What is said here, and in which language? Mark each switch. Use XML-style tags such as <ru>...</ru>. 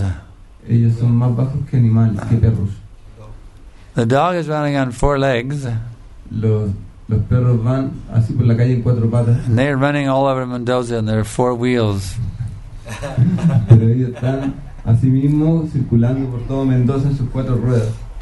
<es>Ellos son más bajos que animales, que perros.</es> <en>The dog is running on four legs.</en> <es>Los perros van así por la calle en cuatro patas.</es> <en>And they are running all over Mendoza on their four wheels.</en> <es>Pero ellos están asimismo circulando por todo Mendoza en sus cuatro ruedas.</es>